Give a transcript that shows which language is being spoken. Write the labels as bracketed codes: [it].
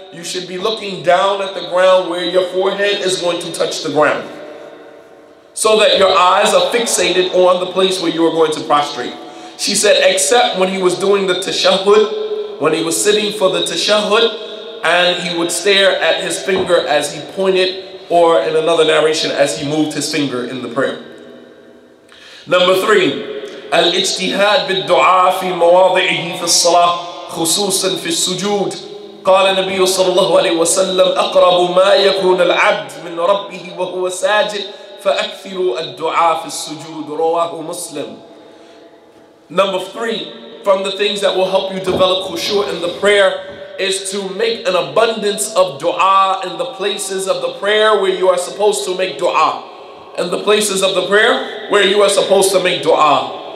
[en] You should be looking down at the ground where your forehead is going to touch the ground, so that your eyes are fixated on the place where you are going to prostrate. She said, except when he was doing the tashahud, when he was sitting for the tashahud, and he would stare at his finger as he pointed, or in another narration, as he moved his finger in the prayer. Number three, [ar] الاجتهاد بالدعاء في مواضعه في الصلاة خصوصا في السجود. قال النبي صلى الله عليه وسلم أقرب ما يكون العبد من ربه وهو ساجد فأكثروا الدعاء في السجود. رواه مسلم. [en] Number three, from the things that will help you develop khushu in the prayer is to make an abundance of dua in the places of the prayer where you are supposed to make dua. In the places of the prayer where you are supposed to make dua.